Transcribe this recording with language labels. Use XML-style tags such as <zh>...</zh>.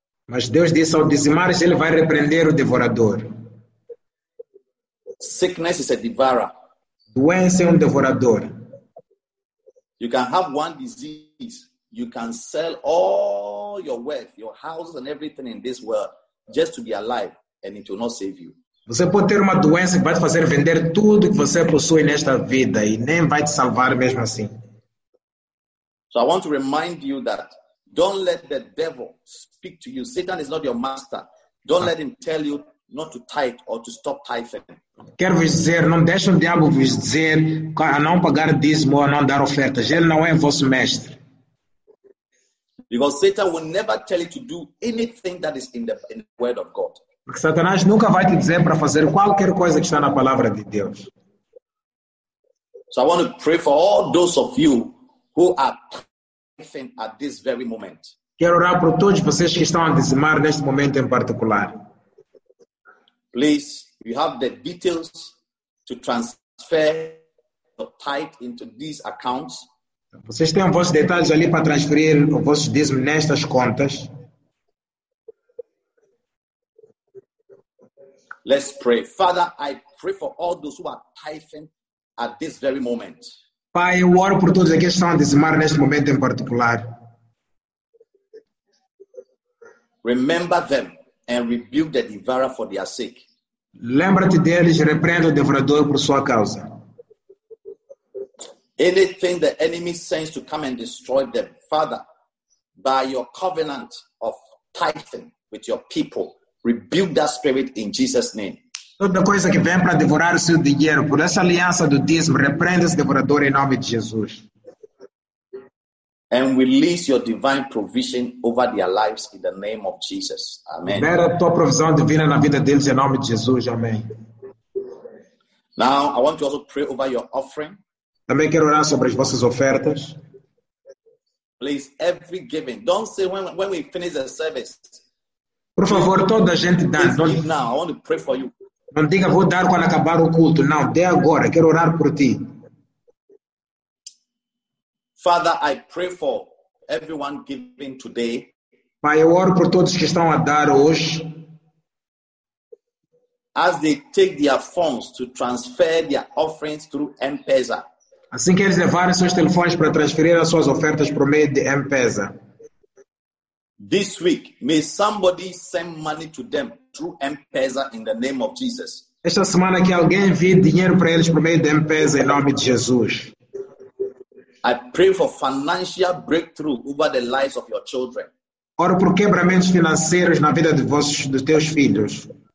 <pt>Mas Deus disse ao dizimar, ele vai repreender o devorador.</pt> <en>Sickness is a devourer.</en> <pt>Doença é um devorador.</pt> <en>You can have one disease, you can sell all your wealth, your houses and everything in this world just to be alive and it will not save you.</en> <pt>Você pode ter uma doença que vai te fazer vender tudo que você possui nesta vida e nem vai te salvar mesmo assim.</pt> <en>So I want to remind you that don't let the devil speak to you. Satan is not your master. Don't let him tell you not to tithe or to stop tithing.</en> <pt>Quero vos dizer, não deixe o diabo vos dizer a não pagar dízimo ou a não dar ofertas. Ele não é vosso mestre.</pt> <en>Because Satan will never tell you to do anything that is in the word of God.</en> <pt>Porque Satanás nunca vai te dizer para fazer qualquer coisa que está na palavra de Deus.</pt> <en>So I want to pray for all those of you who are tithing at this very moment.</en> <pt>Quero orar por todos vocês que estão a dizimar neste momento em particular.</pt> <en>Please, you have the details to transfer tied into these accounts.</en> <pt>Vocês têm os vossos detalhes ali para transferir os vossos dízimos nestas contas?</pt> <en>Let's pray. Father, I pray for all those who are tithing at this very moment.</en> <pt>Pai, eu oro por todos aqueles que estão a dizimar neste momento em particular.</pt> <en>Remember them and rebuke the devourer for their sake.</en> <pt>Lembra-te deles e repreenda o devorador por sua causa.</pt> <en>Anything the enemy sends to come and destroy them, Father, by your covenant of tithing with your people, rebuke that spirit in Jesus' name.</en> <pt>Toda coisa que vem para devorar o seu dinheiro, por essa aliança do dízimo, repreenda esse devorador em nome de Jesus.</pt> <en>And release your divine provision over their lives in the name of Jesus. Amen.</en> <pt>Libera tua provisão divina na vida deles em nome de Jesus. Amém.</pt> <en>Now, I want to also pray over your offering.</en> <pt>Também quero orar sobre as vossas ofertas.</pt> <en>Please, every giving. Don't say when we finish the service.</en> <pt>Por favor, toda a gente dá.</pt> <en>Please give now. I want to pray for you.</en> <pt>Não diga, vou dar quando acabar o culto. Não, dê agora. Quero orar por ti.</pt> <en>Father, I pray for everyone giving today.</en> <pt>Pai, eu oro por todos que estão a dar hoje.</pt> <en>As they take their phones to transfer their offerings through M-Pesa.</en> <pt>Assim que eles levarem seus telefones para transferir as suas ofertas por meio de M-Pesa.</pt> <en>This week, may somebody send money to them through M-Pesa in the name of Jesus.</en> <pt>Esta semana que alguém envie dinheiro para eles por meio de M-Pesa em nome de Jesus.</pt> <en>I pray for financial breakthrough over the lives of your children.</en> <pt>Oro por quebramentos financeiros na vida dos teus filhos.</pt>